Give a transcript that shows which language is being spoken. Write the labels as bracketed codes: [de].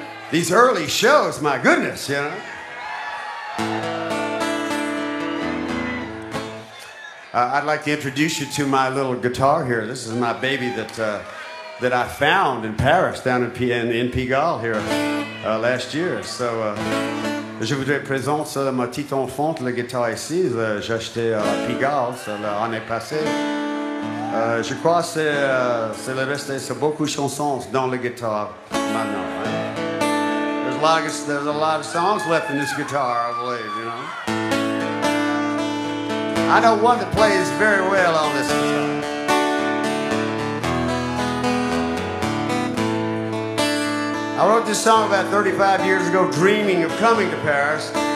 [en] These early shows, my goodness, you know. I'd like to introduce you to my little guitar here. This is my baby that I found in Paris, down in Pigalle here last year. [fr] So, je voudrais présenter ma petite enfant, la guitare ici. J'ai acheté à Pigalle l'année passée. Je crois que c'est le reste de beaucoup de chansons dans la guitare maintenant. Hein? [en] There's a lot of songs left in this guitar, I believe, you know. I know one that plays very well on this guitar. I wrote this song about 35 years ago, dreaming of coming to Paris.